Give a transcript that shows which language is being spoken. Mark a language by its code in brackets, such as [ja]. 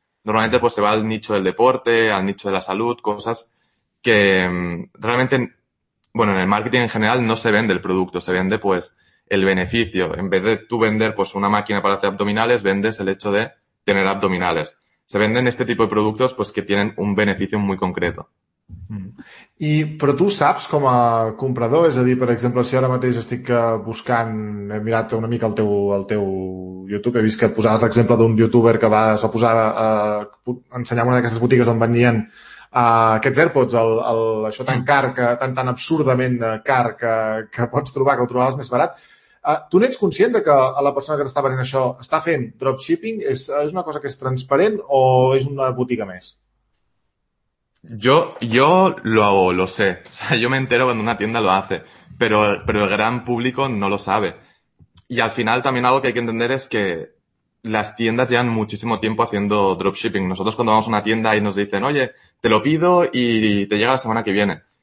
[es] Normalmente pues se va al nicho del deporte, al nicho de la salud, cosas que realmente, bueno, en el marketing en general no se vende el producto, se vende pues el beneficio. En vez de tú vender pues una máquina para hacer abdominales, vendes el hecho de tener abdominales. Se venden este tipo de productos pues que tienen un beneficio muy concreto. [ca] I, però tu saps com a comprador, és a dir, per exemple, si ara mateix estic buscant, he mirat una mica el teu YouTube, he vist que posaves l'exemple d'un youtuber que va posar ensenyar una d'aquestes botigues on vendien aquests AirPods, això tan car, que, tan absurdament car que pots trobar, que ho trobaves més barat. Tu n'ets conscient de que la persona que t'està venent això està fent dropshipping? És una cosa que és transparent o és una botiga més? [es] Yo lo hago, lo sé. O sea, yo me entero cuando una tienda lo hace, pero el gran público no lo sabe. Y al final también algo que hay que entender es que las tiendas llevan muchísimo tiempo haciendo dropshipping. Nosotros cuando vamos a una tienda y nos dicen, oye, te lo pido y te llega la semana que viene.